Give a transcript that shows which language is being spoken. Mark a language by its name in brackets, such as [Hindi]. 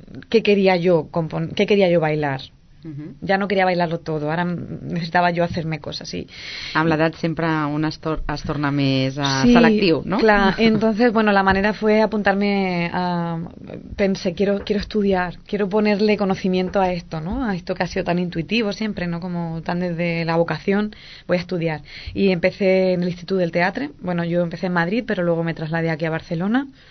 [Spanish] ¿Qué quería yo componer? ¿Qué quería yo bailar? Uh-huh. Ya no quería bailarlo todo, [Catalan] ara necessitava jo [Spanish] hacerme coses. [Catalan] Amb l'edat sempre un es torna més selectiu, no? Sí, clar. [Spanish] Entonces, bueno, la manera fue apuntarme a... Pensé, quiero estudiar, quiero ponerle conocimiento a esto, ¿no? A esto que ha sido tan intuitivo siempre, ¿no? Como tan desde la vocación, voy a estudiar. Y empecé en el Instituto del Teatre. Bueno, yo empecé en Madrid, pero luego me trasladé aquí a Barcelona.